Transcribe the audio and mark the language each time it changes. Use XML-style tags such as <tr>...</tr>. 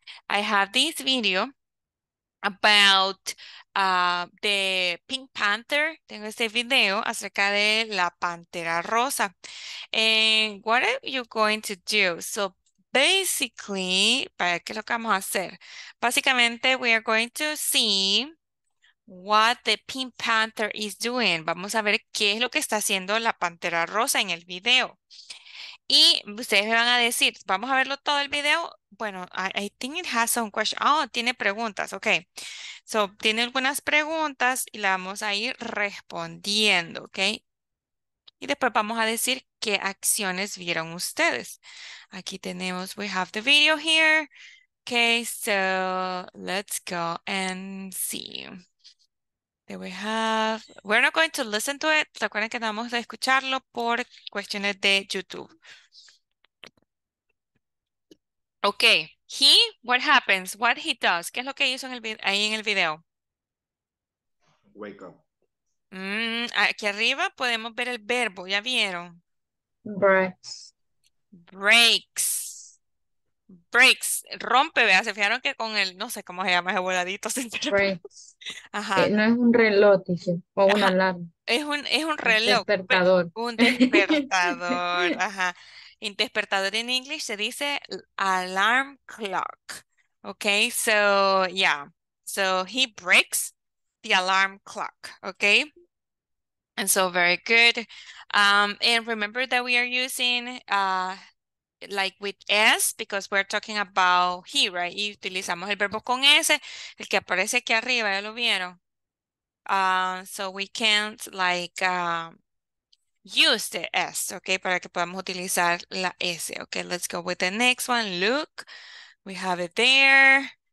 <en>I have this video about the Pink Panther.</en> <es>Tengo este video acerca de la Pantera Rosa.</es> <en>And what are you going to do? So basically,</en> <es>¿para qué es lo que vamos a hacer?</es> <en>Básicamente, we are going to see what the Pink Panther is doing.</en> <es>Vamos a ver qué es lo que está haciendo la Pantera Rosa en el video. Y ustedes me van a decir, vamos a verlo todo el video. Bueno,</es> <en>I think it has some questions.</en> <es>Oh, tiene preguntas. Okay. So, tiene algunas preguntas y la vamos a ir respondiendo. Okay. Y después vamos a decir qué acciones vieron ustedes. Aquí tenemos,</es> <en>we have the video here. Okay. So, let's go and see. There we have, we're not going to listen to it.</en> <es>Recuerden que vamos a escucharlo por cuestiones de YouTube. Okay, he,</es> <en>what happens? What he does?</en> <es>¿Qué es lo que hizo en el, ahí en el video?</es> <en>Wake up.</en> <es>Aquí arriba podemos ver el verbo, ¿ya vieron?</es> <en>Breaks. Breaks.</en> <es>Breaks, rompe, vea, se fijaron que con el, no sé cómo se llama ese voladito. Se</es> <en>breaks. Ajá.</en> <es>No es un reloj, dice, o un alarma. Es un reloj. Despertador. Un despertador, ajá. En despertador en inglés se dice alarm clock.</es> <en>Okay, so, yeah. So, he breaks the alarm clock, okay? And so, very good. And remember that we are using, like with S, because we're talking about he, right?</en> <es>Y utilizamos el verbo con S, el que aparece aquí arriba, ya lo vieron.</es> <en>So we can't, like, use the S, okay?</en> <es>Para que podamos utilizar la S,</es> <en>okay? Let's go with the next one. Look, we have it there.</en>